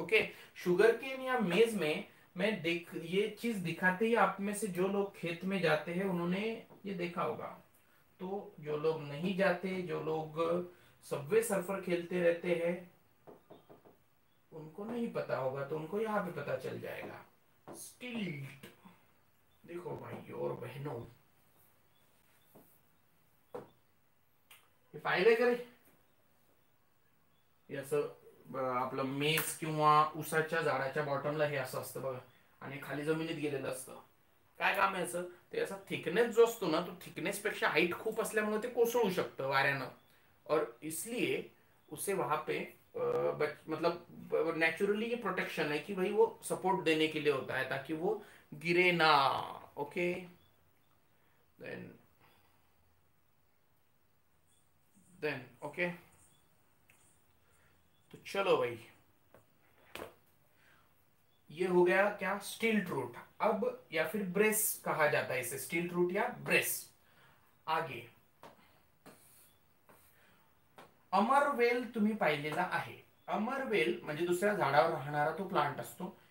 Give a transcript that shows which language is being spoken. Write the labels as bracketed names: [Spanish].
[Hindi] Okay, sugar cane या मेज में मैं देख ये चीज दिखाते ही आप में से जो लोग खेत में जाते हैं उन्होंने ये देखा होगा, तो जो लोग नहीं जाते, जो लोग सबवे सर्फर खेलते रहते हैं उनको नहीं पता होगा, तो उनको यहाँ पे पता चल जाएगा। [Marathi] स्टिल्ट, [Hindi] देखो भाइयों और बहनों, [Marathi] ये फायदे करे ये असं आपलं मेस किंवा उसाच्या झाडाच्या बॉटमला हे असं असतं बघा, आणि खाली जमिनीत गेलेलं असतं, काय काम आहे असं, ते असं थिकनेस जो असतो ना तो थिकनेस पेक्षा हाइट खूप असल्यामुळे ते कोसळू शकतं वाऱ्यानं, [Hindi] और इसलिए उसे वहां पे मतलब नेचुरली ये प्रोटेक्शन है कि भाई वो सपोर्ट देने के लिए होता है ताकि वो गिरे ना। ओके, देन ओके, तो चलो भाई ये हो गया क्या, स्टिल्ट रूट अब या फिर ब्रेस कहा जाता है इसे, स्टिल्ट रूट या ब्रेस। [Marathi] आगे अमरवेल तुम्ही पाहिलेला आहे, अमरवेल म्हणजे दुसऱ्या झाडावर राहणारा तो प्लांट असतो।